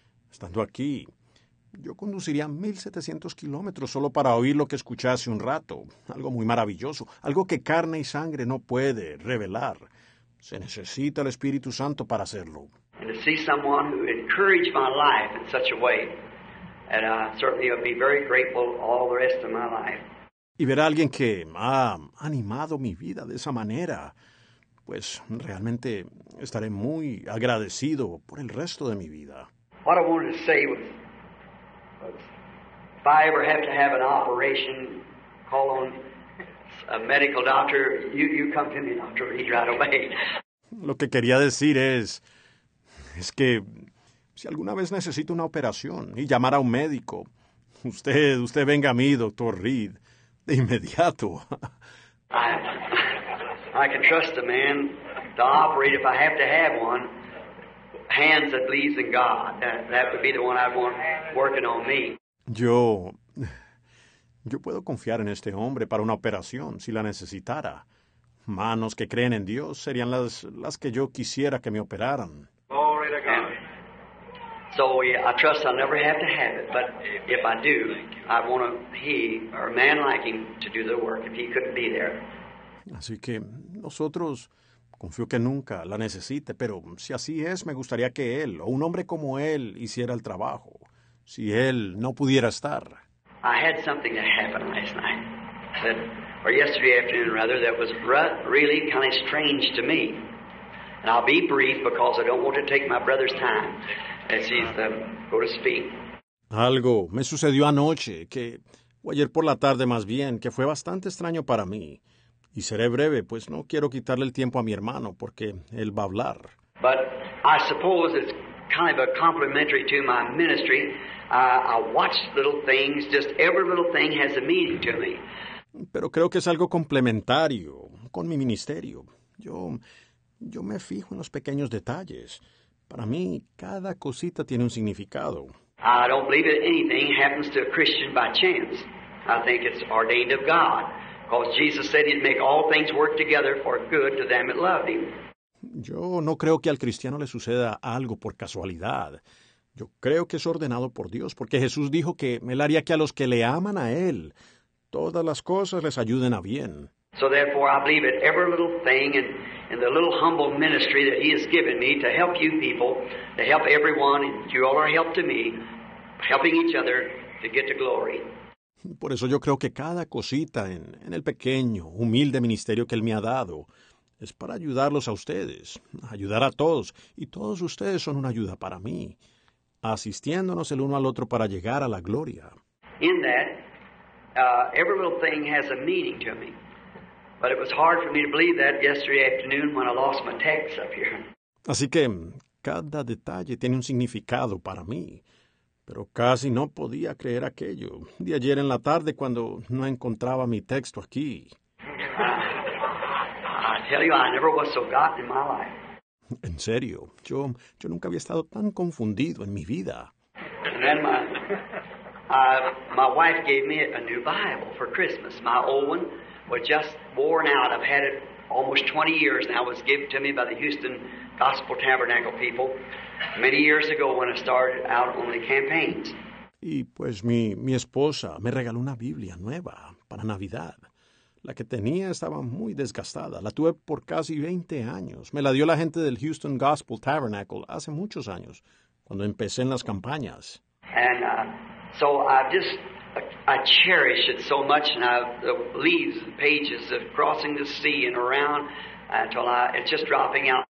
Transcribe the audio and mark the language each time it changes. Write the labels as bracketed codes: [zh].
[es] Estando aquí, yo conduciría 1,700 kilómetros solo para oír lo que escuché hace un rato. Algo muy maravilloso. Algo que carne y sangre no puede revelar. Se necesita el Espíritu Santo para hacerlo. [en] And to see someone who encouraged my life in such a way. And I certainly would be very grateful all the rest of my life. [es] Y ver a alguien que ha animado mi vida de esa manera, pues realmente estaré muy agradecido por el resto de mi vida. [en] What I wanted to say was, if I ever have to have an operation, call on a medical doctor, you come to me, Dr. Reed, right away. [es] Lo que quería decir es que si alguna vez necesito una operación y llamar a un médico, usted venga a mí, Dr. Reed, de inmediato. [en] I can trust a man to operate if I have to have one. Hands that believes in God, that would be the one I'd want working on me. [es] Yo puedo confiar en este hombre para una operación si la necesitara. Manos que creen en Dios serían las que yo quisiera que me operaran. [en] Glory to God. And so yeah, I trust I'll never have to have it, but if I do, I want a man like him to do the work if he couldn't be there. [es] Así que nosotros, confío que nunca la necesite, pero si así es, me gustaría que él o un hombre como él hiciera el trabajo, si él no pudiera estar. [en] I had something that happened last night, or yesterday afternoon rather, that was really kind of strange to me. And I'll be brief because I don't want to take my brother's time as he's going to speak. [es] Algo me sucedió anoche, o ayer por la tarde más bien, que fue bastante extraño para mí. Y seré breve, pues no quiero quitarle el tiempo a mi hermano, porque él va a hablar. [en] But I suppose it's kind of a complimentary to my ministry. I watch little things, just every little thing has a meaning to me. [es] Pero creo que es algo complementario con mi ministerio. Yo me fijo en los pequeños detalles. Para mí, cada cosita tiene un significado. [en] I don't believe that anything happens to a Christian by chance. I think it's ordained of God. Because Jesus said he'd make all things work together for good to them that loved him. [es] Yo no creo que al cristiano le suceda algo por casualidad. Yo creo que es ordenado por Dios, porque Jesús dijo que él haría que a los que le aman a él, todas las cosas les ayuden a bien. [en] So therefore I believe that every little thing in the little humble ministry that he has given me to help you people, to help everyone, you all are help to me, helping each other to get to glory. [es] Por eso yo creo que cada cosita en el pequeño, humilde ministerio que él me ha dado es para ayudarlos a ustedes, ayudar a todos. Y todos ustedes son una ayuda para mí, asistiéndonos el uno al otro para llegar a la gloria. [en] In that, Every little thing has a meaning to me. But it was hard for me to believe that yesterday afternoon when I lost my text up here. [es] Así que cada detalle tiene un significado para mí. Pero casi no podía creer aquello de ayer en la tarde cuando no encontraba mi texto aquí. [en] I tell you, I never was so gotten in my life. [es] En serio, yo nunca había estado tan confundido en mi vida. [en] And then my wife gave me a new Bible for Christmas. My old one was just worn out. I've had it almost 20 years now. It was given to me by the Houston Gospel Tabernacle people many years ago when I started out on the campaigns. [es] Y pues mi esposa me regaló una Biblia nueva para Navidad. La que tenía estaba muy desgastada. La tuve por casi 20 años. Me la dio la gente del Houston Gospel Tabernacle hace muchos años, cuando empecé en las campañas. [en] And so I cherish it so much, and the leaves and pages of crossing the sea and around until it's just dropping out.